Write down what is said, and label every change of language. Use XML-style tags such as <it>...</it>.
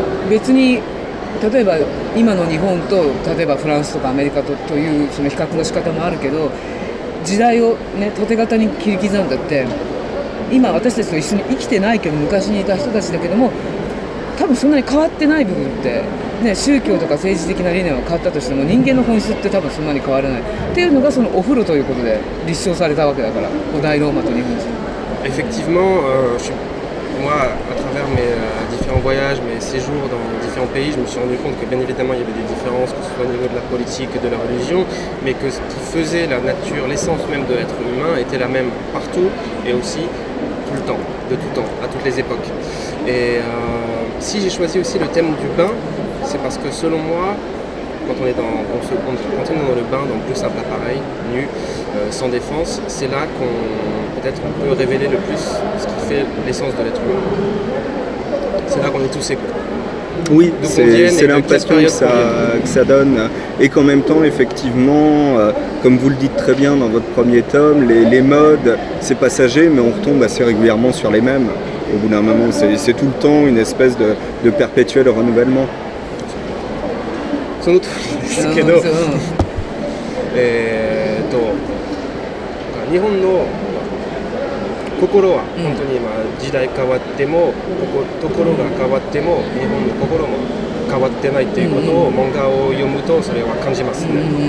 <ja>別に例えば今の日本と例えばフランスとかアメリカ というその比較の仕方もあるけど、時代をね縦型に切り刻んだって、今私たちと一緒に生きてないけど昔にいた人たちだけども、多分そんなに変わってない部分って、ね、宗教とか政治的な理念は変わったとしても人間の本質って多分そんなに変わらないっていうのが、そのお風呂ということで立証されたわけだから、古代ローマと日本人。</ja> <fr>Effectivement, moi, à travers mes différents voyages, mes séjours dans différents pays, je me suis rendu compte que bien évidemment il y avait des différences, que ce soit au niveau de la politique, de la religion, mais que ce qui faisait la nature, l'essence même de l'être humain, était la même partout et aussi tout le temps, de tout temps, à toutes les époques. Et si j'ai choisi aussi le thème du bain, c'est parce que selon moi, quand on est dans, quand on est dans le bain, dans le plus simple appareil, nu, sans défense, c'est là qu'on peut-être on peut révéler le plus ce qui fait l'essence de l'être humain. C'est là qu'on est tous égaux. Oui, c'est l'impression que ça donne. Et qu'en même temps, effectivement, comme vous le dites très bien dans votre premier tome, les modes, c'est passager, mais on retombe assez régulièrement sur les mêmes. Au bout d'un moment, c'est tout le temps une espèce de perpétuel renouvellement.</fr> <ja>その通りですけど、日本の心は本当に今時代変わってもところが変わっても日本の心も変わってないということを漫画を読むとそれは感じますね。</ja>